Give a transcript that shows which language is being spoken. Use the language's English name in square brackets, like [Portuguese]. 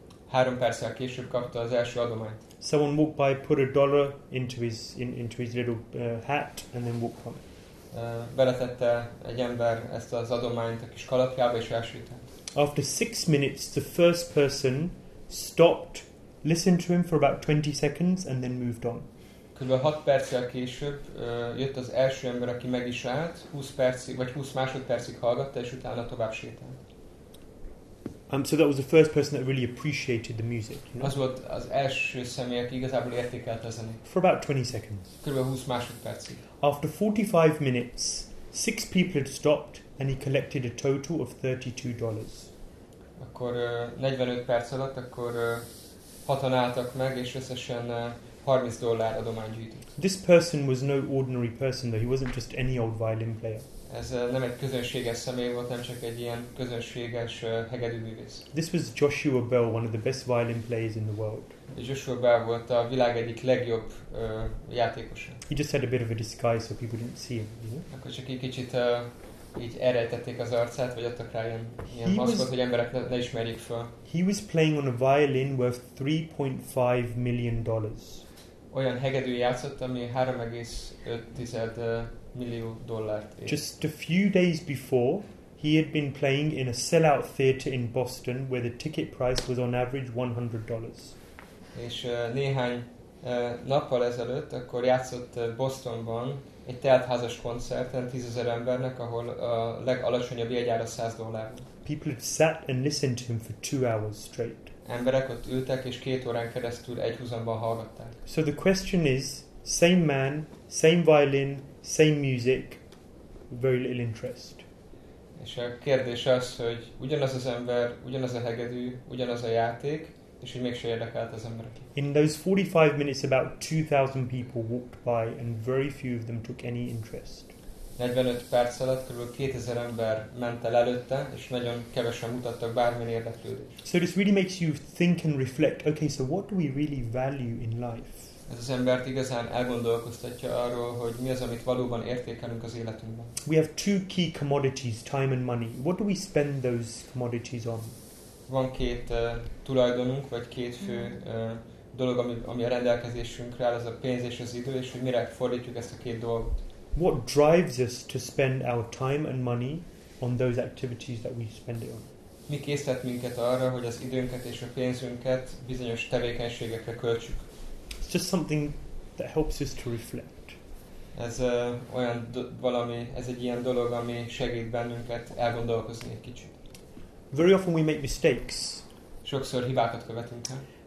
[Hungarian] 3 perccel később kapta az első adományt. [English] Someone walked by, put $1 into his little hat, and then walked on it. [Hungarian] Beletette egy ember ezt az adományt a kis kalapjába, és elsütött. [English] After 6 minutes, the first person stopped, listened to him for about 20 seconds, and then moved on. [Hungarian] Körülbelül 6 perccel később jött az első ember, aki meg is állt, 20 másodpercig hallgatta, és utána tovább sétált. [English] So that was the first person that really appreciated the music. You know? [Hungarian] Az volt az első személy, aki igazából értékelte a zenét. [English] For about 20 seconds. [Hungarian] Körülbelül 20 másodpercig. [English] After 45 minutes, 6 people had stopped and he collected a total of $32. [Hungarian] Akkor 45 perc alatt, akkor 6-an álltak meg, és összesen $30 adományt gyűjtött. [English] This person was no ordinary person though. He wasn't just any old violin player. [Hungarian] Ez nem egy közönséges személy volt, nem csak egy ilyen közönséges hegedűművész. [English] This was Joshua Bell, one of the best violin players in the world. [Hungarian] Joshua Bell volt a világ egyik legjobb játékosa. [English] He just had a bit of a disguise, so people didn't see him. You know? [Hungarian] Akkor csak egy kicsit így elrejtették az arcát, vagy adtak rá ilyen maszkot, hogy emberek ne ismerjék fel. [English] He was playing on a violin worth $3.5 million. [Hungarian] Olyan hegedű játszott, ami 3,5 millió dollárt ér. [English] Just a few days before, he had been playing in a sellout theater in Boston, where the ticket price was on average $100. [Hungarian] És néhány nappal ezelőtt, akkor játszott Bostonban egy teltházas koncerten 10,000 embernek, ahol a legalacsonyabb jegyára $100. [English] People had sat and listened to him for 2 hours straight. [Hungarian] Emberek ott ültek, és 2 órán keresztül egyhuzamban hallgatták. [English] So the question is, same man, same violin, same music, very little interest. [Hungarian] És a kérdés az, hogy ugyanaz az ember, ugyanaz a hegedű, ugyanaz a játék, és hogy mégsem érdekelt az emberek. [English] In those 45 minutes, about 2,000 people walked by, and very few of them took any interest. [Hungarian] 45 perc alatt körülbelül 2000 ember ment el előtte, és nagyon kevesen mutattak bármilyen érdeklődést. [English] So this really makes you think and reflect, okay, so what do we really value in life? [Hungarian] Ez az embert igazán elgondolkoztatja arról, hogy mi az, amit valóban értékelünk az életünkben. [English] We have two key commodities, time and money. What do we spend those commodities on? [Hungarian] Van két tulajdonunk, vagy két fő dolog, ami a rendelkezésünkre áll, az a pénz és az idő, és hogy mire fordítjuk ezt a két dolgot. [English] What drives us to spend our time and money on those activities that we spend it on? [Hungarian] Mi késztet minket arra, hogy az időnket és a pénzünket bizonyos tevékenységekre költsük? [English] It's just something that helps us to reflect. [Hungarian] Ez olyan valami, ez egy ilyen dolog, ami segít bennünket elgondolkozni egy kicsit. [English] Very often we make mistakes. [Hungarian] Sokszor hibákat követünk el.